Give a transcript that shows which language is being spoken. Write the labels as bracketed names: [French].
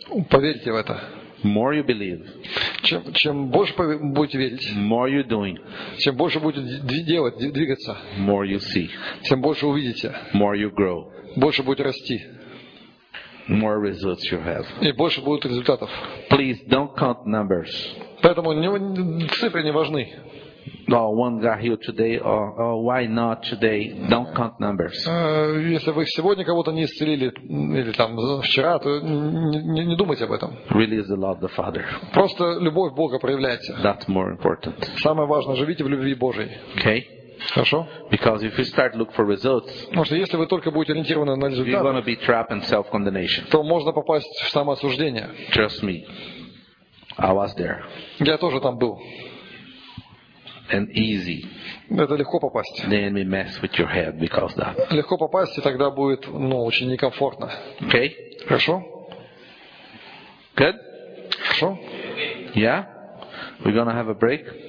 [Russian] Поверьте в это. [English] More you believe. [Russian] Чем больше будете верить. [English] More you doing. [Russian] Чем больше будете делать, двигаться. [English] More you see. [Russian] Тем больше увидите. [English] More you grow. [Russian] Больше будете расти. [English] more results you have. [Russian] И больше будет результатов. [English] Please don't count numbers. [Russian] Поэтому цифры не важны. [English] No, one got healed today, or why not today? Don't count numbers. [Russian] Если вы сегодня кого-то не исцелили или там вчера, то не думайте об этом. [English] Release the love of the Father. [Russian] Просто любовь Бога проявляйте. [English] That's more important. [Russian] Самое важное, живите в любви Божьей. [English] Okay. [Russian] Хорошо. [English] Because if you start look for results, [Russian] потому что если вы только будете ориентированы на результаты, [English] you're gonna be trapped in self-condemnation. [Russian] То можно попасть в самоосуждение. [English] Trust me. I was there. [Russian] Я тоже там был. [English] And easy. [Russian] Это легко попасть. [English] The enemy mess with your head because that. [Russian] Легко попасть, и тогда будет, очень некомфортно. [English] Okay. [Russian] Хорошо. [English] Good. [Russian] Хорошо. [English] Yeah. We're gonna have a break.